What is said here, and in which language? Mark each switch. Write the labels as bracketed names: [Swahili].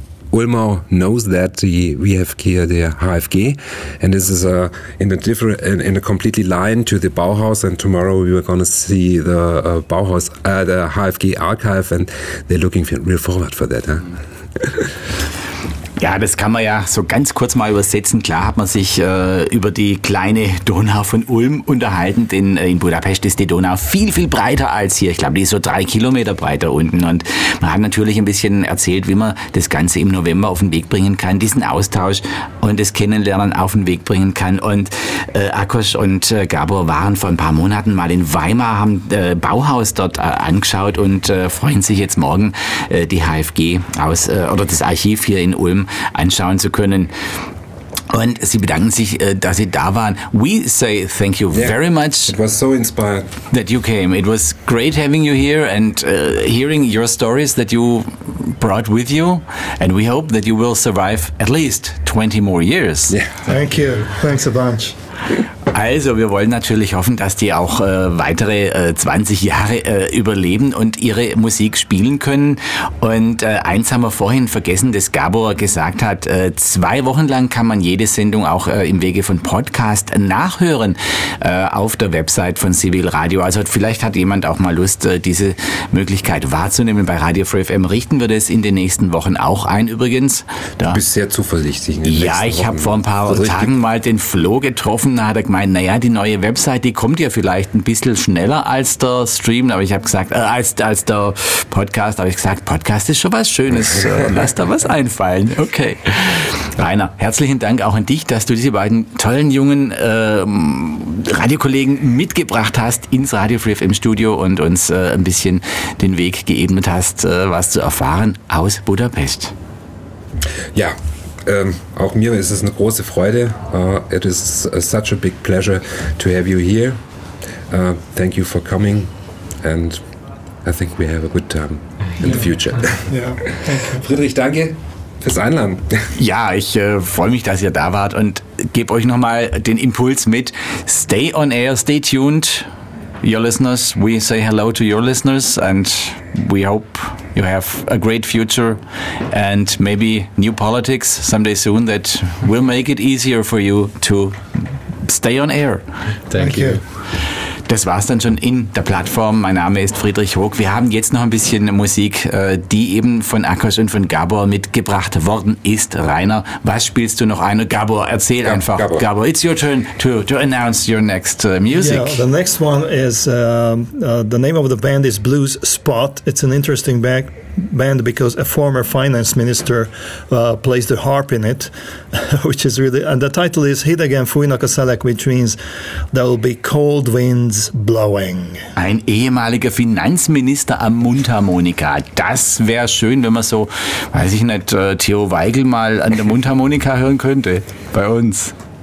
[English] Ulmau knows that we have here the HFG, and this is in a completely line to the Bauhaus. And tomorrow we are going to see the Bauhaus, the HFG archive, and they're looking real forward for that. Huh? [German] Ja, das kann man ja so ganz kurz mal übersetzen. Klar hat man sich über die kleine Donau von Ulm unterhalten, denn in Budapest ist die Donau viel, viel breiter als hier. Ich glaube, die ist so 3 Kilometer breiter unten. Und man hat natürlich ein bisschen erzählt, wie man das Ganze im November auf den Weg bringen kann, diesen Austausch und das Kennenlernen auf den Weg bringen kann. Und Akos und Gabor waren vor ein paar Monaten mal in Weimar, haben Bauhaus dort angeschaut und freuen sich jetzt morgen die HFG aus oder das Archiv hier in Ulm anschauen zu können. Und sie bedanken sich, dass sie da waren. [English] We say thank you very much. It was so inspired that you came. It was great having you here and hearing your stories that you brought with you. And we hope that you will survive at least 20 more years. Yeah. Thank you. Thanks a bunch. [German] Also, wir wollen natürlich hoffen, dass die auch weitere 20 Jahre überleben und ihre Musik spielen können. Und eins haben wir vorhin vergessen, das Gabor gesagt hat, 2 Wochen lang kann man jede Sendung auch im Wege von Podcast nachhören auf der Website von Civil Radio. Also vielleicht hat jemand auch mal Lust, diese Möglichkeit wahrzunehmen. Bei Radio Free FM richten wir das in den nächsten Wochen auch ein übrigens. Du bist sehr zuversichtlich. Ja, ich habe vor ein paar Tagen mal den Flo getroffen, da hat er gemeint, naja, die neue Website, die kommt ja vielleicht ein bisschen schneller als der Stream, aber ich habe gesagt, als der Podcast, aber ich gesagt, Podcast ist schon was Schönes, lass da was einfallen. Okay. Rainer, herzlichen Dank auch an dich, dass du diese beiden tollen jungen Radiokollegen mitgebracht hast ins Radio Free FM Studio und uns ein bisschen den Weg geebnet hast, was zu erfahren aus Budapest. Ja, auch mir ist es eine große Freude. [English] It is such a big pleasure to have you here. Thank you for coming and I think we have a good time in the future. [German] Friedrich, danke fürs Einladen. Ja, ich freue mich, dass ihr da wart und gebe euch nochmal den Impuls mit. [English] Stay on air, stay tuned, your listeners. We say hello to your listeners and we hope you have a great future and maybe new politics someday soon that will make it easier for you to stay on air. Thank you. [German] Das war's dann schon in der Plattform. Mein Name ist Friedrich Hoog. Wir haben jetzt noch ein bisschen Musik, die eben von Akos und von Gabor mitgebracht worden ist. Rainer, was spielst du noch ein? Gabor, erzähl einfach. [English] Gabor, it's your turn to announce your next music. Yeah, the next one is, the name of the band is Blues Spot. It's an interesting band because a former finance minister plays the harp in it, which is really, and the title is Hit Again Fuinakaselek, which means there will be cold winds blowing. [German] Ein ehemaliger Finanzminister am Mundharmonika. Das wäre schön, wenn man so, weiß ich nicht, Theo Weigel mal an der Mundharmonika hören könnte bei uns.